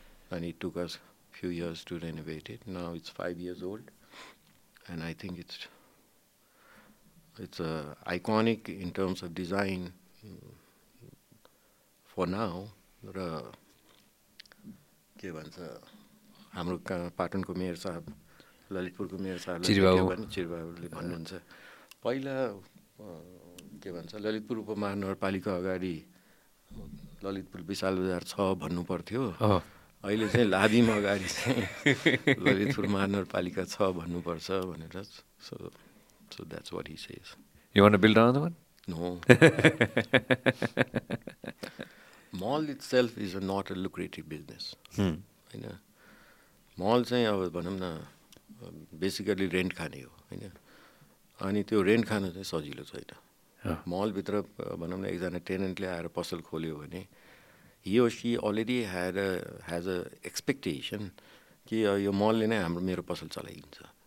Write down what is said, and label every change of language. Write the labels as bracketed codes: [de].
[en] And it took us a few years to renovate it. Now it's 5 years old. And I think it's iconic in terms of design for now. [ne] Ra, ke bhancha? हाम्रो पाटनको mayor साहब ललितपुरको mayor साहब चिरबाबुले भन्नुहुन्छ पहिला के भन्छ ललितपुर उपमहानगरपालिका अगाडि ललितपुर विशाल बजार छ भन्नुपर्थ्यो अहिले चाहिँ लादिम अगाडि चाहिँ ललितपुर महानगरपालिका छ भन्नुपर्छ भनेर [en] so so that's what he says you want to build another one no mall itself is not a lucrative business [ne] होइन मल चाहिँ अब भनौँ न बेसिकली रेन्ट खाने हो होइन अनि त्यो रेन्ट खानु चाहिँ सजिलो छैन मलभित्र भनौँ न एकजना टेनेन्टले आएर पसल खोल्यो भने [en] he or she already had a has a expectation [ne] ki yo mall le nai hamro mero pasal chalai dincha